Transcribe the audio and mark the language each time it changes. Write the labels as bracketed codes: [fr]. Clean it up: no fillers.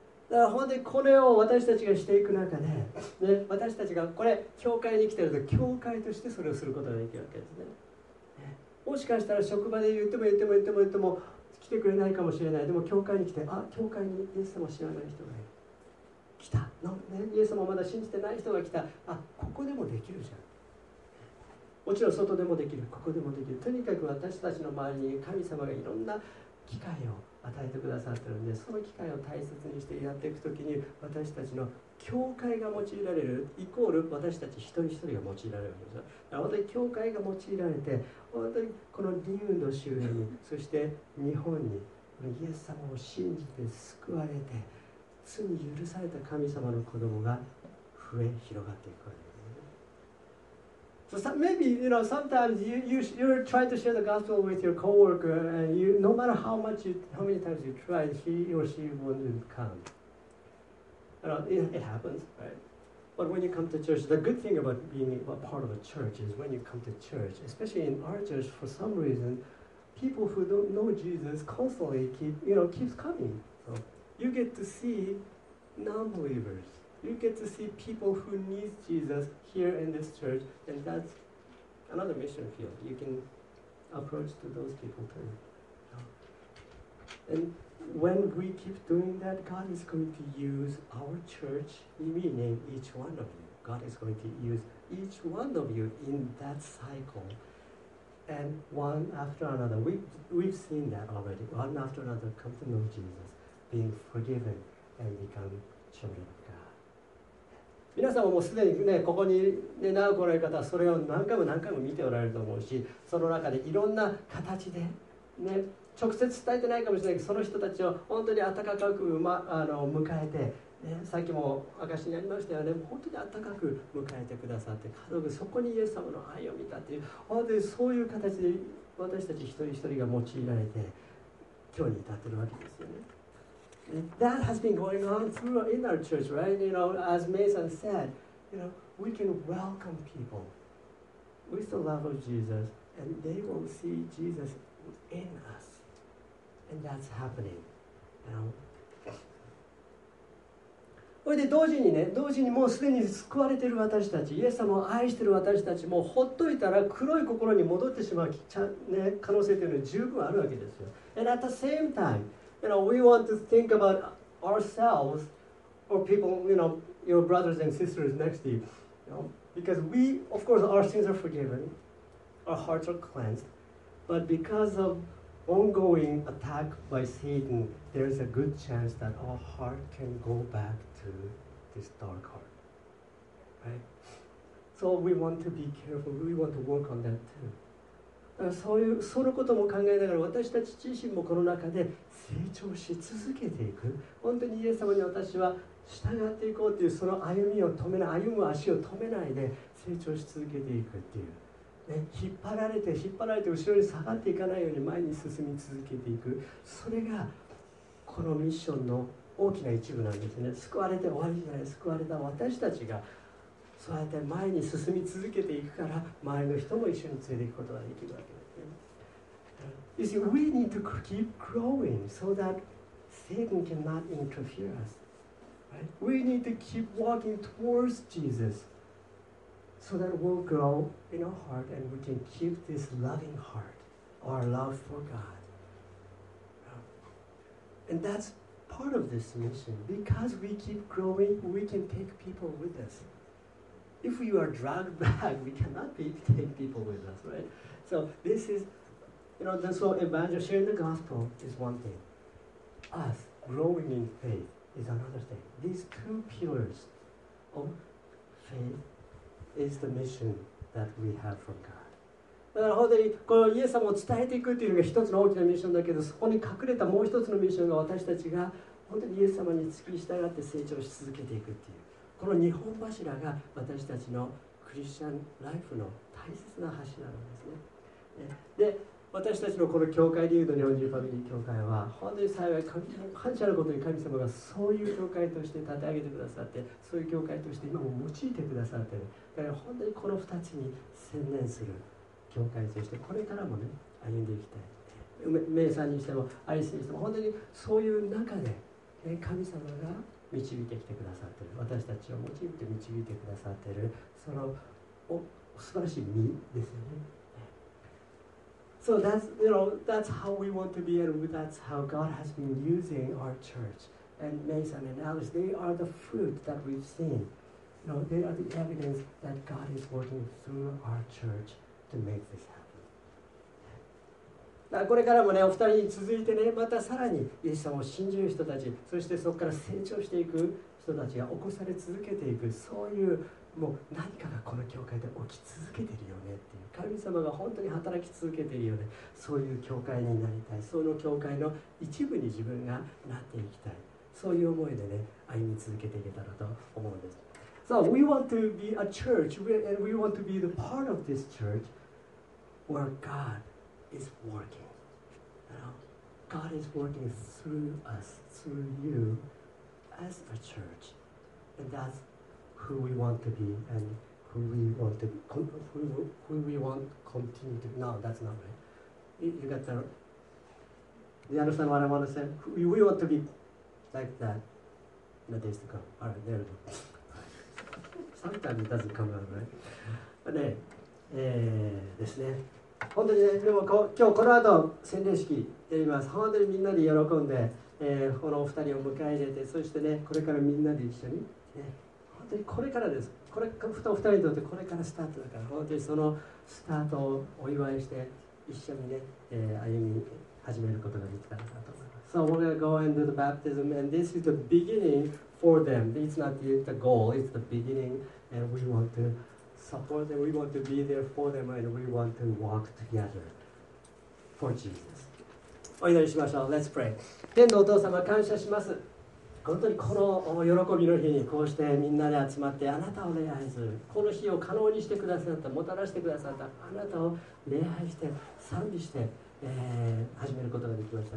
[ja] だから本当にこれを私たちがしていく中で、ね、私たちがこれ教会に来ていると教会としてそれをすることができるわけですね。もしかしたら職場で言っても来てくれないかもしれない。でも教会に来て、あ、教会にイエス様を知らない人がいる、来たの、ね、イエス様をまだ信じてない人が来た、あ、ここでもできるじゃん。もちろん外でもできる、ここでもできる。とにかく私たちの周りに神様がいろんな機会を与えてくださってるので、その機会を大切にしてやっていくときに、私たちの教会が用いられる、イコール私たち一人一人が用いられるんですよ。だから本当に教会が用いられて、本当にこのリウの周辺に、そして日本にイエス様を信じて救われて罪許された神様の子供が増え広がっていくわけです。 [en] So some, maybe you know, sometimes you try to share the gospel with your coworker and you, no matter how many times you try, he or she won't come. It happens, right? But when you come to church, the good thing about being a part of a church is when you come to church, especially in our church, for some reason, people who don't know Jesus constantly keeps coming. So you get to see non-believers. You get to see people who need Jesus here in this church, and that's another mission field. You can approach to those people too. And when we keep doing that, God is going to use our church, meaning each one of you. God is going to use each one of you in that cycle. And one after another, we've seen that already. One after another, come to know Jesus, being forgiven and become children of God. [ja] 皆さんももうすでにね、ここにね、なお来られる方はそれを何回も何回も見ておられると思うし、その中でいろんな形でね、直接伝えてないかもしれないけど、その人たちを本当に温かく、迎えて、ね、さっきも証しにありましたよね、本当に温かく迎えてくださって、家族そこにイエス様の愛を見たっていう、本当にそういう形で私たち一人一人が用いられて今日に至ってるわけですよね。 [en] That has been going on through in our church, right? You know, as Mason said, you know, we can welcome people with the love of Jesus and they will see Jesus in us. And that's happening. [ja] それで同時にね、同時にもうすでに救われている私たち、イエス様を愛している私たちもほっといたら黒い心に戻ってしまう可能性というのは十分あるわけですよ。 [en] And at the same time, you know, we want to think about ourselves or people, you know, your brothers and sisters next to you, you know, because we, of course, our sins are forgiven, our hearts are cleansed, but because ofongoing attack by Satan, there's a good chance that our heart can go back to this dark heart. Right? So we want to be careful. We want to work on that too. [ja] そういう、そのことも考えながら私たち自身もこの中で成長し続けていく。本当にイエス様に私は従っていこうというその歩みを止めない、歩む足を止めないで成長し続けていくっていう。ね、引っ張られて引っ張られて後ろに下がっていかないように前に進み続けていく、それがこのミッションの大きな一部なんですね。救われて終わりじゃない、救われた私たちがそうやって前に進み続けていくから前の人も一緒に連れていくことができるわけですね。 [en] You see, we need to keep growing so that Satan cannot interfere us, right? We need to keep walking towards JesusSo that we'll grow in our heart and we can keep this loving heart, our love for God. And that's part of this mission. Because we keep growing, we can take people with us. If we are dragged back, we cannot take people with us, right? So this is, you know, that's what evangelism, sharing the gospel is one thing. Us growing in faith is another thing. These two pillars of faithis the mission that we have from God. [ja] だから本当にこのイエス様を伝えていくというのが一つの大きなミッションだけど、そこに隠れたもう一つのミッションが私たちが本当にイエス様に付き従って成長し続けていくっていう、この二本柱が私たちのクリスチャンライフの大切な柱なんですね。で、私たちのこの教会でいうと日本人ファミリー教会は本当に幸い、感謝のことに神様がそういう教会として立て上げてくださって、そういう教会として今も用いてくださってる。だから本当にこの2つに専念する教会としてこれからもね、歩んでいきたい。メイさんにしても愛してにしても本当にそういう中で、ね、神様が導いてきてくださってる、私たちを用いて導いてくださってる、その素晴らしい身ですよね。 [en] So that's, you know, that's how we want to be, and that's how God has been using our church. And Mason and Alice, they are the fruit that we've seen. You know, they are the evidence that God is working through our church to make this happen. [ja] これからもね、お二人に続いてね、またさらにイエス様を信じる人たち、そしてそこから成長していく人たちが起こされ続けていく、そういうもう何かがこの教会で起き続けているよねっていう、神様が本当に働き続けているよね、そういう教会になりたい、その教会の一部に自分がなっていきたい、そういう思いでね、歩み続けていけたらと思うんです。 [en] So we want to be a church and we want to be the part of this church where God is working, you know? God is working through us, through you as a church, and that'sWho we want to be and who we want to be, who we want continue to be. No, that's not right. You got that right? You understand what I want to say? We want to be like that in the days to come. All right, there we go. Sometimes it doesn't come out right. But, [ja] ですね。本当にね、でも今日この後洗礼式やります。本当にみんなで喜んで、このお二人を迎え入れて、そしてね、これからみんなで一緒に、ね、本当にこれからです。これふと二人にとってこれからスタートだから、本当にそのスタートをお祝いして一緒にね、歩み始めることができたらなと思います。 [en] So we're going to go into the baptism and this is the beginning for them. It's not the goal, it's the beginning and we want toSupport them, we want to be there for them, and we want to walk together for Jesus. [ja] お祈りしましょう。 [en] Let's pray. [ja] 天のお父様、感謝します。本当にこの喜びの日にこうしてみんなで集まってあなたを礼拝する。この日を可能にしてくださった、もたらしてくださったあなたを礼拝して、賛美して、始めることができました。